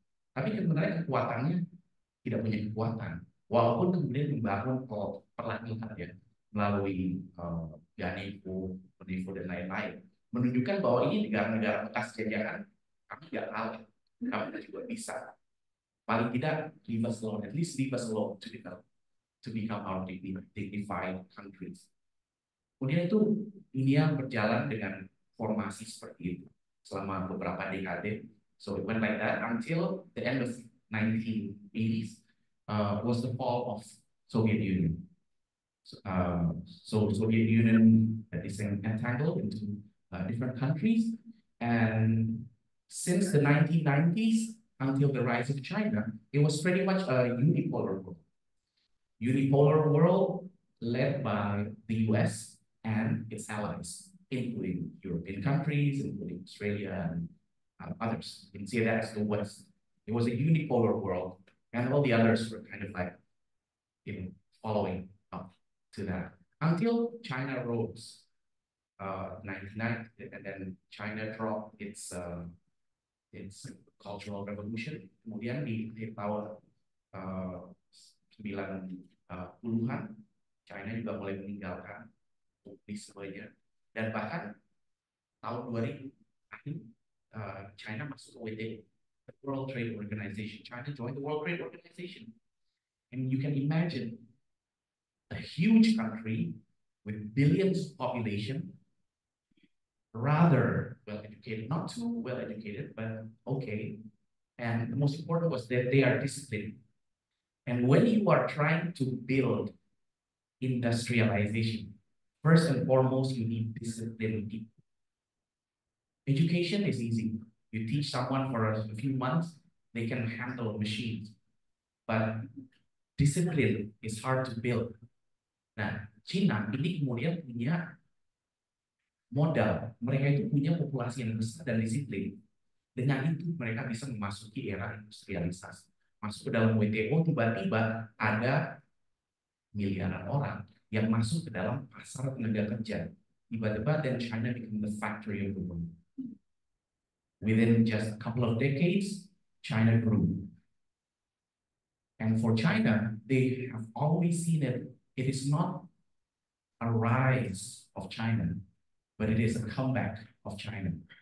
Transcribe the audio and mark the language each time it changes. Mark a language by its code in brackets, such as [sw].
[id] Tapi sebenarnya kekuatannya tidak punya kekuatan. Walaupun kemudian membangun perlahan-lahan ya, melalui Ganipu, Penipu, dan lain-lain, menunjukkan bahwa ini negara-negara bekas jajahan, kami tidak kalah, kami juga bisa. Paling tidak, [en] leave us alone, at least leave us alone to develop, to become our dignified countries. [id] Kemudian itu dunia berjalan dengan formasi seperti itu selama beberapa dekade. [en] So it went like that until the end of 1980s. Was the fall of Soviet Union. So Soviet Union had this entangled into different countries. And since the 1990s until the rise of China, it was pretty much a unipolar world. Unipolar world led by the US and its allies, including European countries, including Australia and others. You can see that as the West. It was a unipolar world. And all the others were kind of like, you know, following up to that until China rose, 1990, and then China dropped its cultural revolution. [id] Kemudian di tahun 90-an, China juga mulai meninggalkan populismenya, dan bahkan tahun 2000, China masuk OTT. [en] The World Trade Organization, China joined the World Trade Organization. And you can imagine a huge country with billions of population, rather well-educated, not too well-educated, but okay. And the most important was that they are disciplined. And when you are trying to build industrialization, first and foremost, you need discipline. Education is easy. You teach someone for a few months, they can handle machines. But discipline is hard to build. [id] Nah, China ini kemudian punya modal. Mereka itu punya populasi yang besar dan disiplin. Dengan itu, mereka bisa memasuki era industrialisasi. Masuk ke dalam WTO, tiba-tiba ada miliaran orang yang masuk ke dalam pasar tenaga kerja. Tiba-tiba, [en] then China become the factory of the world. Within just a couple of decades, China grew. And for China, they have always seen it. It is not a rise of China, but it is a comeback of China.